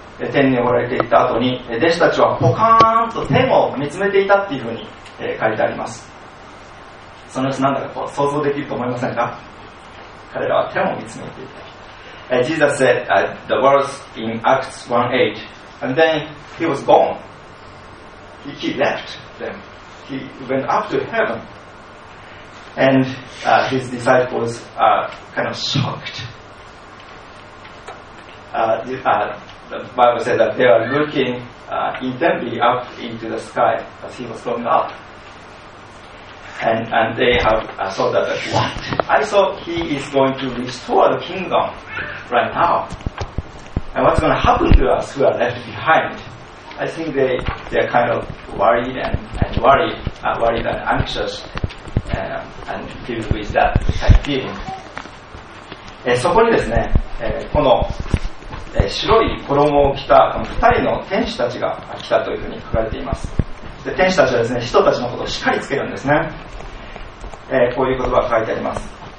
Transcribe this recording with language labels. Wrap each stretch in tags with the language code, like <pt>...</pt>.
<ja>天に降られていった後に、弟子たちはポカーンと天を見つめていたっていうふうに、書いてあります。その様子なんだかこう想像できると思いませんか。彼らは天を見つめていた。</ja> <en>Jesus said the words in Acts 1:8, and then he was gone. He left them. He went up to heaven. And his disciples are kind of shocked. The Bible said that they are looking intently up into the sky as he was going up. And they have thought that, what? I thought he is going to restore the kingdom. Right now, and what's going to happen to us who are left behind? I think they are kind of worried and worried and anxious and filled with that kind of feeling.</en> <ja>そこにですね、この、白い衣を着たこの二人の天使たちが来たというふうに書かれています。で、天使たちはですね、人たちのことをしっかりつけるんですね。こういう言葉が書いてあります。</ja>